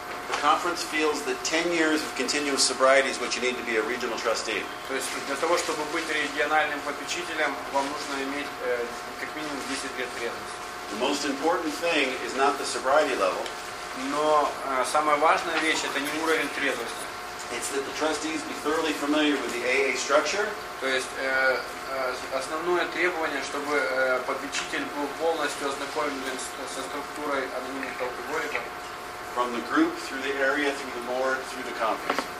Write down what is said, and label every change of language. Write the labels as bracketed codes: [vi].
[en] The conference feels that 10 years of continuous sobriety is what you need to be a regional trustee. [ru] То есть для того, чтобы быть региональным попечителем, вам нужно иметь как минимум 10 лет преданности. [en] The most important thing is not the sobriety level. [ru] Но самая важная вещь — это не уровень трезвости. [en] It's that the trustees be thoroughly familiar with the AA structure. [ru] То есть основное требование, чтобы попечитель был полностью ознакомлен со структурой анонимных алкоголиков. [en] From the group, through the area, through the board, through the conference.